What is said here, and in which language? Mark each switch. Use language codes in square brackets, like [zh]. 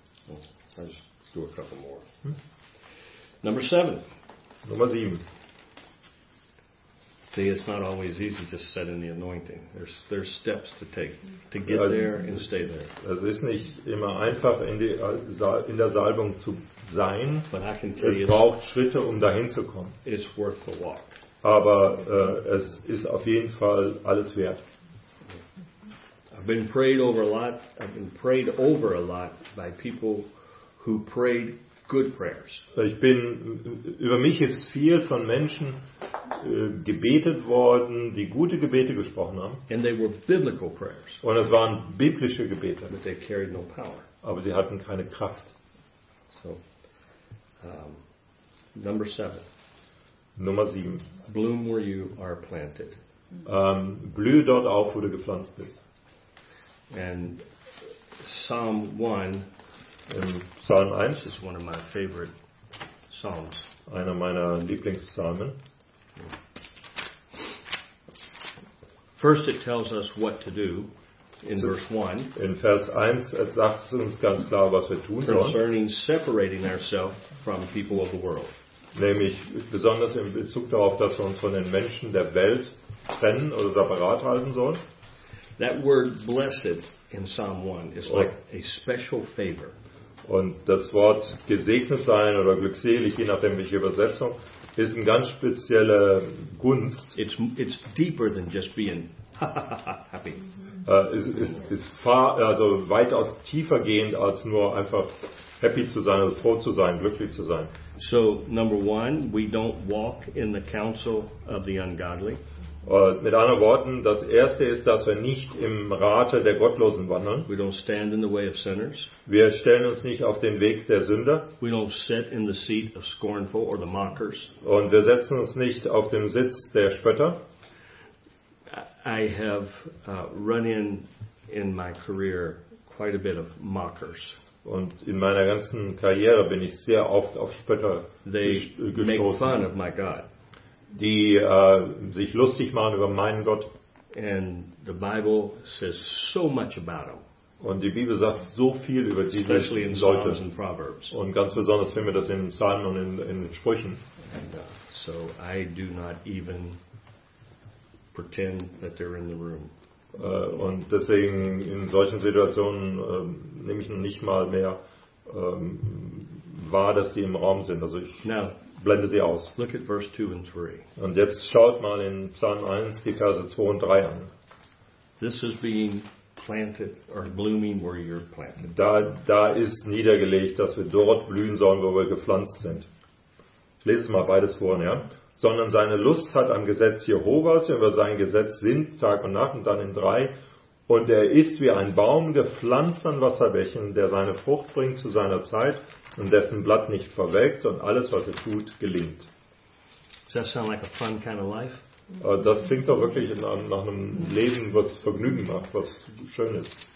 [en] Oh, I'll just do a couple more. Number seven. Number seven. See, it's not always easy just setting the anointing. There's steps to take to get also, there and stay there. [de] Also ist nicht immer einfach in der Salbung zu sein. [en] But I can tell you, [de] es braucht Schritte, um dahin zu kommen. [en] It's worth the walk. [de] Aber es ist auf jeden Fall alles wert. [en] I've been prayed over a lot. I've been prayed over a lot by people who prayed good prayers. [de] Ich bin über mich ist viel von Menschen gebetet worden, die gute Gebete gesprochen haben. [en] And they were biblical prayers. [de] Und es waren biblische Gebete. [en] But they carried no power. [de] Aber sie hatten keine Kraft. [en] So, number seven. [de] Nummer sieben. [en] Bloom where you are planted. [de] Blühe dort auf, wo du gepflanzt bist. [en] And Psalm 1, [de] Psalm 1 [en] is one of my favorite psalms. [de] Einer meiner Lieblingspsalmen. [en] First it tells us what to do in so, verse 1. [de] In Vers 1 sagt es uns ganz klar, was wir tun [en] concerning Concerning separating ourselves from people of the world. [de] Nämlich besonders in Bezug darauf, dass wir uns von den Menschen der Welt trennen oder separat halten sollen. [en] That word blessed in Psalm 1 is like a special favor. [de] Und das Wort gesegnet sein oder glückselig, je nachdem welche Übersetzung, ist eine ganz spezielle Gunst. [en] It's deeper than just being happy. [de] Ist weitaus tiefer gehend als nur einfach happy zu sein, also froh zu sein, glücklich zu sein. [en] So, number one, we don't walk in the counsel of the ungodly. [de] Mit anderen Worten, das Erste ist, dass wir nicht im Rate der Gottlosen wandeln. [en] We don't stand in the way of sinners. [de] Wir stellen uns nicht auf den Weg der Sünder. [en] We don't sit in the seat of scornful or the mockers. [de] Und wir setzen uns nicht auf den Sitz der Spötter. [en] I have run in my career quite a bit of mockers. [de] Und in meiner ganzen Karriere bin ich sehr oft auf Spötter gestoßen. [en] They make fun of my God. [de] Die sich lustig machen über meinen Gott. [en] And the Bible says so much about him. [de] Und die Bibel sagt so viel über diese Leute. [en] Especially in Psalms and Proverbs. [de] Und ganz besonders finden wir das in Psalmen und in den Sprüchen. [en] And, so I do not even pretend that they're in the room. [de] Und deswegen in solchen Situationen nehme ich noch nicht mal mehr wahr, dass die im Raum sind. Also ich blende sie aus. [en] Look at verse 2 and 3. [de] Und jetzt schaut mal in Psalm 1 die Verse 2 und 3 an. [en] This is being planted or blooming where you're planted. [de] Da ist niedergelegt, dass wir dort blühen sollen, wo wir gepflanzt sind. Ich lese mal beides vor, ja. Sondern seine Lust hat am Gesetz Jehovas, über sein Gesetz sinnt Tag und Nacht und dann in 3. Und er ist wie ein Baum gepflanzt an Wasserbächen, der seine Frucht bringt zu seiner Zeit und dessen Blatt nicht verwelkt und alles, was er tut, gelingt. [en] Does that sound like a fun kind of life? [de] Das klingt doch wirklich nach einem Leben, was Vergnügen macht, was schön ist.